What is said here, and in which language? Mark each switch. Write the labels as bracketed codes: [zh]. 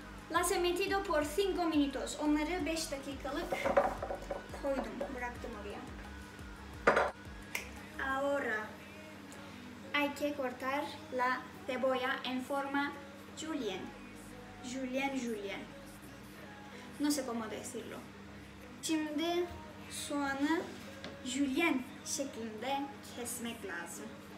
[es] Las he metido por 5 minutos. [tr] Onları 5 dakikalık koydum. Bıraktım oraya. [es] Ahora hay que cortar la cebolla en forma julienne. No sé cómo decirlo. [tr] Şimdi soğanı julienne şeklinde kesmek lazım.